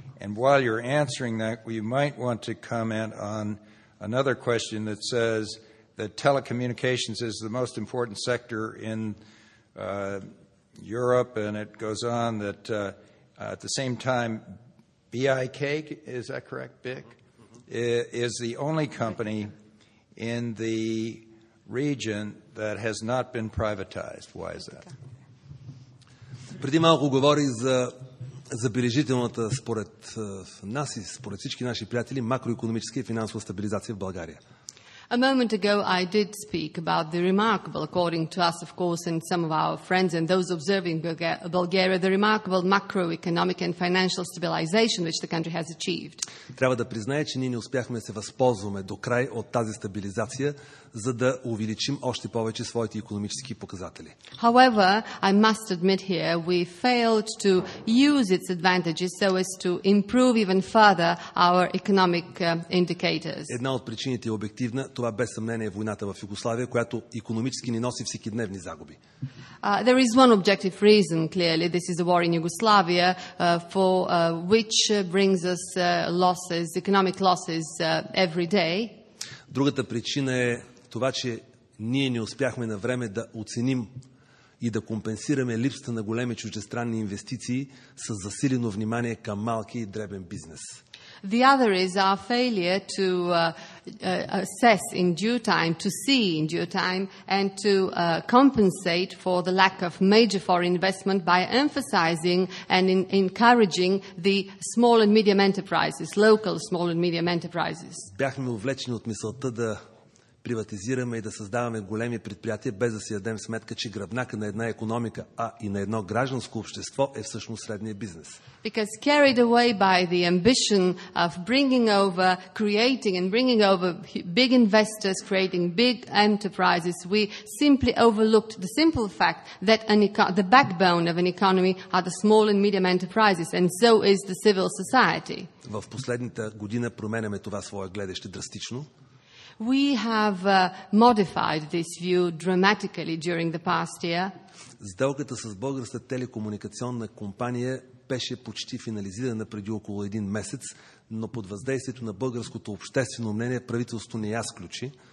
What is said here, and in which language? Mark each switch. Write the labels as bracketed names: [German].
[English] And while you're answering that, we might want to comment on another question that says that telecommunications is the most important sector in Europe, and it goes on that at the same time, BIK, is that correct, BIK, is the only company in the region that has not been privatized. Why is that? [Bulgarian] Преди малко говорих за забележителната според нас и според всички наши приятели макроекономическа и финансова стабилизация в България. [English] A moment ago I did speak about the remarkable, according to us, of course, and some of our friends and those observing Bulgaria, the remarkable macroeconomic and financial stabilization which the country has achieved. [Bulgarian] Трябва да призная, че ние не успяхме да се възползваме до край от тази стабилизация, за да увеличим още повече своите икономически показатели. [English] However, I must admit here, we failed to use its advantages so as to improve even further our economic indicators. [Bulgarian] Една от причините е обективна. Това без съмнение е войната в Югославия, която икономически ни носи всекидневни загуби. [English] There is one objective reason, clearly. This is the war in Yugoslavia, which brings us losses, economic losses every day. [Bulgarian] Другата причина е това, че ние не успяхме на време да оценим и да компенсираме липсата на големи чуждестранни инвестиции с засилено внимание към малки и дребен бизнес. [English] The other is our failure to assess in due time, to see in due time, and to compensate for the lack of major foreign investment by emphasizing and encouraging the small and medium enterprises, local small and medium enterprises. [Bulgarian] Бяхме увлечени от мисълта да приватизираме и да създаваме големи предприятия, без да си дадем сметка, че гръбнака на една икономика, а и на едно гражданско общество е всъщност средния бизнес. [English] Because carried away by the ambition of bringing over, creating and bringing over big investors, creating big enterprises, we simply overlooked the simple fact that the backbone of an economy are the small and medium enterprises, and so is the civil society. [Bulgarian] В последната година променяме това свое гледаще драстично. [English] We have modified this view dramatically during the past year. [Bulgarian] Сделката с българска телекомуникационна компания беше почти финализирана преди около един месец, но под въздействието на българското обществено мнение правителството не я сключи.